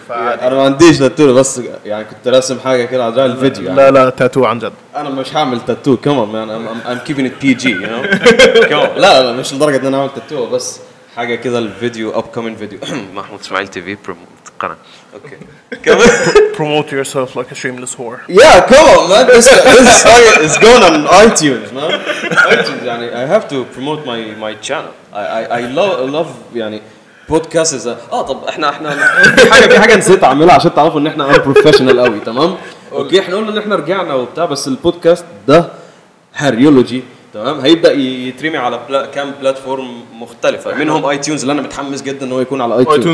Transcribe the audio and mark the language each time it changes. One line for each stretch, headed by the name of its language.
Arabic: انا ما عنديش تاتو بس يعني كنت راسم حاجه كده على الفيديو. لا لا تاتو عن جد انا مش هعمل تاتو كمان,
English: Um Kevin at B G you know.
Arabic: لا لا مش لدرجه ان انا اعمل تاتو, بس حاجه كده الفيديو
English: Upcoming video Mahmoud Ismail T V promo Okay. Promote yourself like a shameless whore. Yeah, come on, man. It's going on iTunes, man. iTunes, yani, I have to promote my channel. I love yani podcasts. Is a, oh,
Arabic: طب احنا حاجة في حاجة نسيت أعملها عشان تعرفوا إن إحنا أنا professional قوي, تمام؟ Okay, إحنا قلنا إن إحنا رجعنا وبتاع, بس البودكاست ده Hariology. تمام هيبدأ يترمي على كام بلاتفورم مختلفة منهم iTunes اللي أنا متحمس جدا إنه يكون على iTunes.